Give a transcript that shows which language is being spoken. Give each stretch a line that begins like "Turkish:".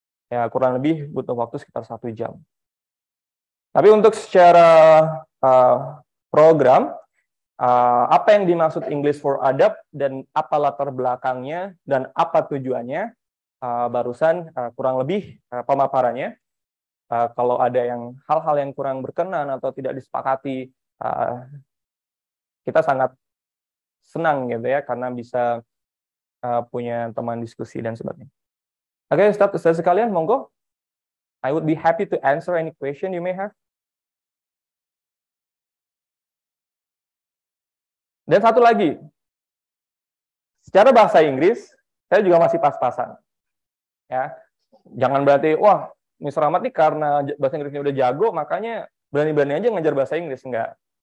Indonesian: Ya, kurang lebih butuh waktu sekitar 1 jam. Tapi untuk secara program, apa yang dimaksud English for Adab dan apa latar belakangnya dan apa tujuannya, barusan kurang lebih pemaparannya. Kalau ada yang hal-hal yang kurang berkenan atau tidak disepakati, kita sangat senang gitu ya, karena bisa punya teman diskusi dan sebagainya. Oke, Ustaz, sekalian monggo.
English: I would be happy to answer any question you may have.
Indonesian: Dan satu lagi, secara bahasa Inggris, saya juga masih pas-pasan. Ya, jangan berarti, wah, Mr. Ahmad ini karena bahasa Inggrisnya udah jago, makanya berani-berani aja ngajar bahasa Inggris. Enggak.